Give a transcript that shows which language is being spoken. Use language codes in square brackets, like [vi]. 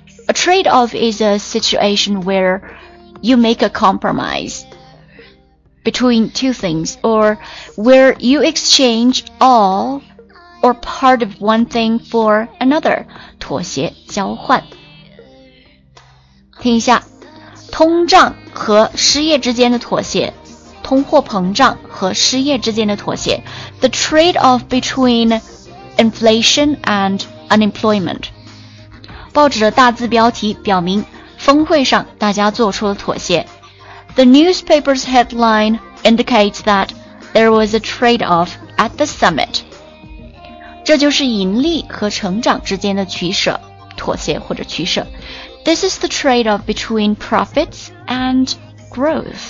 [en] A trade off is a situation where you make a compromise. Between two things, or where you exchange all or part of one thing for another. [zh] 妥协交换。听一下，通胀和失业之间的妥协，通货膨胀和失业之间的妥协。 [en] The trade-off between inflation and unemployment. [zh] 报纸的大字标题表明，峰会上大家做出了妥协。 [en] The newspaper's headline indicates that there was a trade-off at the summit. [zh] 这就是盈利和成长之间的取舍，妥协或者取舍。 [en] This is the trade-off between profits and growth.